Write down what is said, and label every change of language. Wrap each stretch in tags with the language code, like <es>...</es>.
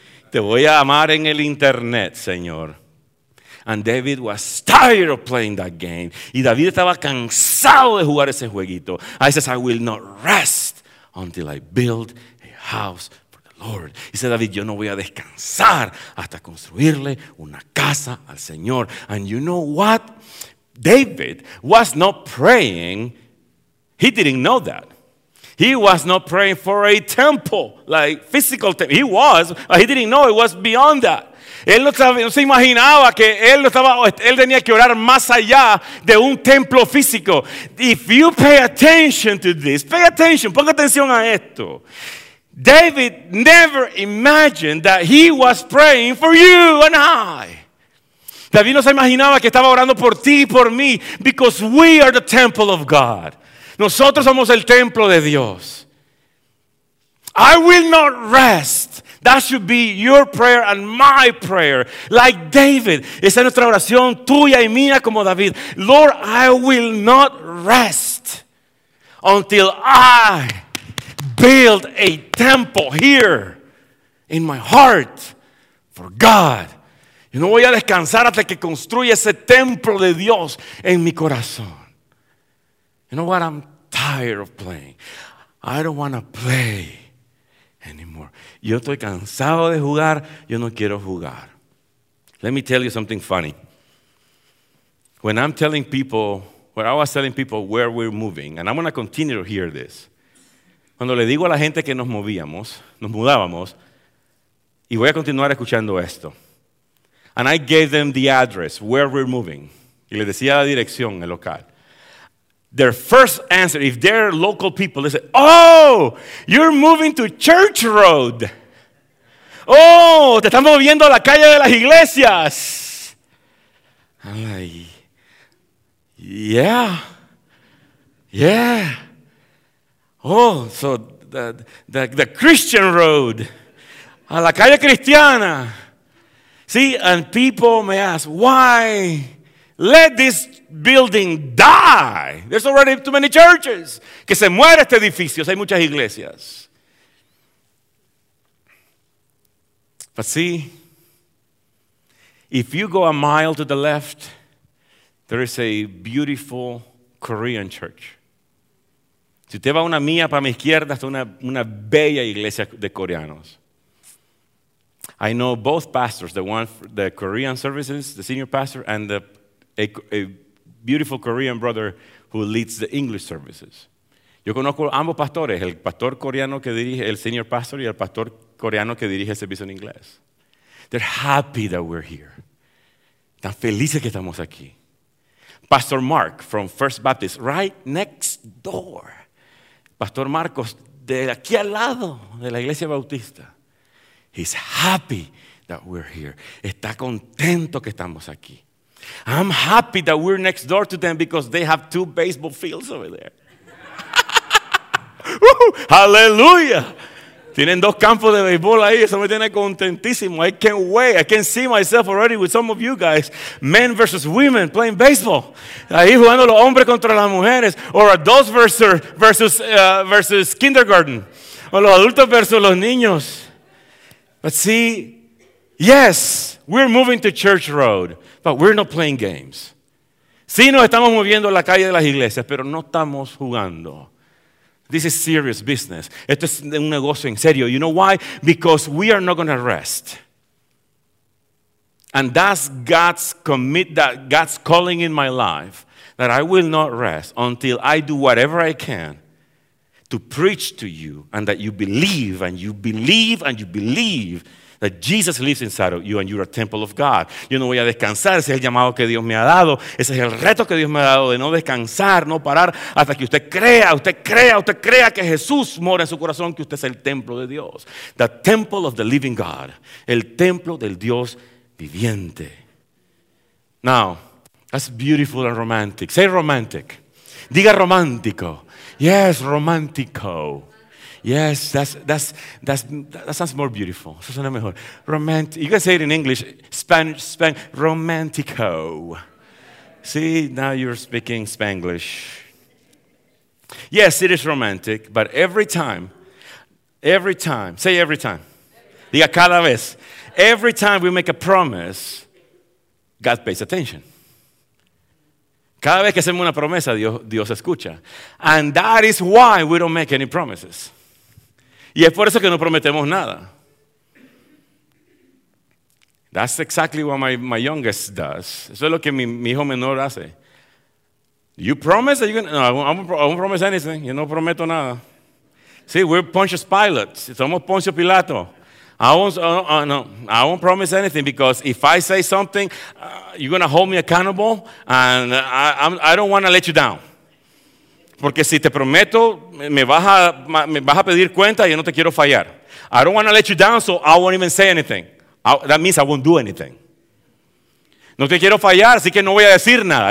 <es>Te voy a amar en el internet, Señor.</es> <en>And David was tired of playing that game.</en> <es>Y David estaba cansado de jugar ese jueguito.</es> <en>I says, I will not rest until I build a house for the Lord.</en> <es>Y dice David, yo no voy a descansar hasta construirle una casa al Señor.</es> <en>And you know what? David was not praying. He didn't know that. He was not praying for a temple, like physical temple. He was, but he didn't know it was beyond that.</en> <es>Él no se imaginaba que él tenía que orar más allá de un templo físico.</es> <en>If you pay attention to this, pay attention,</en> <es>ponga atención a esto.</es> <en>David never imagined that he was praying for you and I.</en> <es>David no se imaginaba que estaba orando por ti y por mí,</es> <en>because we are the temple of God.</en> <es>Nosotros somos el templo de Dios.</es> <en>I will not rest. That should be your prayer and my prayer. Like David.</en> <es>Esa es nuestra oración, tuya y mía como David.</es> <en>Lord, I will not rest until I build a temple here in my heart for God.</en> <es>Yo no voy a descansar hasta que construya ese templo de Dios en mi corazón.</es> <en>You know what I'm tired of playing. I don't want to play anymore.</en> <es>Yo estoy cansado de jugar. Yo no quiero jugar.</es> <en>Let me tell you something funny. When I'm telling people, when I was telling people where we're moving, and I'm going to continue to hear this.</en> <es>Cuando le digo a la gente que nos mudábamos, y voy a continuar escuchando esto.</es> <en>And I gave them the address, where we're moving.</en> <es>Y le decía la dirección, el local.</es> <en>Their first answer, if they're local people, they say, oh, you're moving to Church Road.</en> <es>Oh, te están moviendo a la calle de las iglesias.</es> <en>I'm like, yeah, yeah. Oh, so the Christian Road,</en> <es>a la calle cristiana.</es> <en>See, and people may ask, why? Let this building die. There's already too many churches.</en> <es>Que se muera este edificio. Hay muchas iglesias.</es> <en>But see, if you go a mile to the left, there is a beautiful Korean church.</en> <es>Si usted va una mía para mi izquierda, está una bella iglesia de coreanos.</es> <en>I know both pastors, the one for the Korean services, the senior pastor, and the a beautiful Korean brother who leads the English services.</en> <es>Yo conozco ambos pastores, el pastor coreano que dirige, el senior pastor, y el pastor coreano que dirige el servicio en inglés.</es> <en>They're happy that we're here.</en> <es>Están felices que estamos aquí.</es> <en>Pastor Mark from First Baptist, right next door.</en> <es>Pastor Marcos, de aquí al lado de la iglesia bautista.</es> <en>He's happy that we're here.</en> <es>Está contento que estamos aquí.</es> <en>I'm happy that we're next door to them because they have two baseball fields over there.</en> <es>Hallelujah! Tienen dos campos de béisbol ahí. Eso me tiene contentísimo.</es> <en>I can't wait. I can see myself already with some of you guys, men versus women, playing baseball.</en> <es>Ahí jugando los hombres contra las mujeres,</es> <en>or adults versus kindergarten,</en> <es>o los adultos versus los niños.</es> <en>But see, yes, we're moving to Church Road. But we're not playing games.</en> <es>Sí, nos estamos moviendo a la calle de las iglesias, pero no estamos jugando.</es> <en>This is serious business.</en> <es>Esto es un negocio en serio.</es> <en>You know why? Because we are not going to rest. And that's God's commit, that God's calling in my life, that I will not rest until I do whatever I can to preach to you and that you believe and you believe and you believe that Jesus lives inside of you and you're a temple of God.</en> <es>Yo no voy a descansar. Ese es el llamado que Dios me ha dado. Ese es el reto que Dios me ha dado de no descansar, no parar hasta que usted crea que Jesús mora en su corazón, que usted es el templo de Dios.</es> <en>The temple of the living God.</en> <es>El templo del Dios viviente.</es> <en>Now, that's beautiful and romantic. Say romantic.</en> <es>Diga romántico. Yes, romántico.</es> <en>Yes, that sounds more beautiful.</en> <es>Eso suena mejor.</es> <en>Romantic. You can say it in English, Spanish, romantico. See, now you're speaking Spanglish. Yes, it is romantic, but every time,</en> <es>diga cada vez,</es> <en>every time we make a promise, God pays attention.</en> <es>Cada vez que hacemos una promesa, Dios escucha.</es> <en>And that is why we don't make any promises.</en> <es>Y es por eso que no prometemos nada.</es> <en>That's exactly what my youngest does.</en> <es>Eso es lo que mi hijo menor hace.</es> <en>You promise that you're going to... No, I won't promise anything.</en> <es>Yo no prometo nada.</es> <en>See, we're Pontius Pilate.</en> <es>Somos Poncio Pilato.</es> <en>I won't promise anything because if I say something, you're going to hold me accountable and I don't want to let you down.</en> <es>Porque si te prometo, me vas a pedir cuenta y yo no te quiero fallar.</es> <en>I don't want to let you down, so I won't even say anything. That means I won't do anything.</en> <es>No te quiero fallar, así que no voy a decir nada.</es>